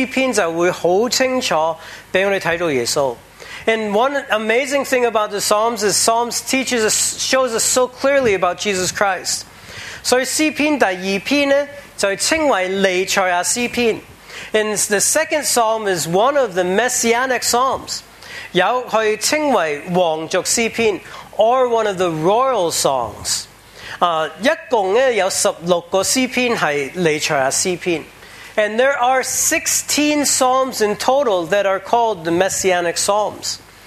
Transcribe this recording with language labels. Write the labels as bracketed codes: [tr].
[zh] 其中一个很奇妙的诗篇就会很清楚给我们看到耶稣。 [en] And one amazing thing about the Psalms is Psalms teaches us, shows us so clearly about Jesus Christ. [zh] 所以诗篇第二篇就称为弥赛亚诗篇。 [en] And the second Psalm is one of the Messianic Psalms. [zh] 有可以称为王族诗篇, [en] or one of the royal songs. [zh] 一共有16个诗篇是弥赛亚诗篇。 [en] And there are 16 psalms in total that are called the Messianic Psalms.